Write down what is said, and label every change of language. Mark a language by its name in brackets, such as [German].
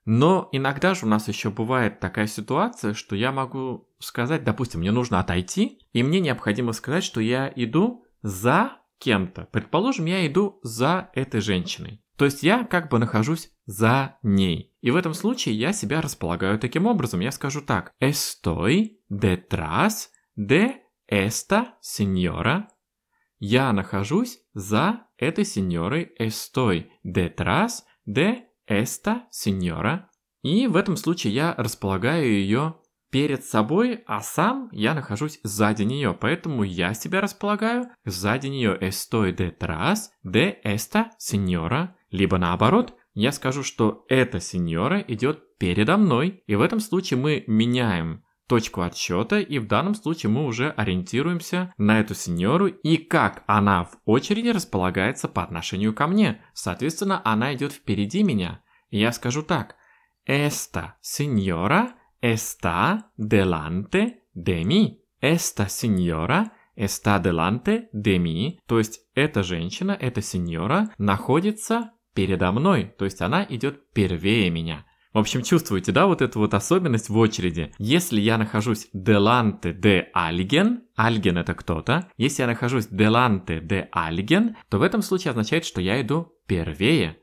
[Russian] Но иногда же у нас еще бывает такая ситуация, что я могу сказать, допустим, мне нужно отойти, и мне необходимо сказать, что я иду за кем-то. Предположим, я иду за этой женщиной. То есть я как бы нахожусь за ней. И в этом случае я себя располагаю таким образом. Я скажу так. [Spanish] Estoy detrás de esta señora. [Russian] Я нахожусь за этой сеньорой. [Spanish] Estoy detrás de esta señora. [Russian] И в этом случае я располагаю ее перед собой, а сам я нахожусь сзади нее. Поэтому я себя располагаю сзади нее. [Spanish] Estoy detrás de esta señora. [Russian] Либо наоборот, я скажу, что эта сеньора идет передо мной, и в этом случае мы меняем точку отсчета, и в данном случае мы уже ориентируемся на эту сеньору и как она в очереди располагается по отношению ко мне. Соответственно, она идет впереди меня. Я скажу так: [Spanish] Esta señora está delante de mí. Esta señora está delante de mí. [Russian] То есть эта женщина, эта сеньора находится передо мной, то есть она идет первее меня. В общем, чувствуете, да, вот эту вот особенность в очереди? Если я нахожусь [Spanish] delante de alguien, [Russian] alguien это кто-то, если я нахожусь delante de alguien, то в этом случае означает, что я иду первее.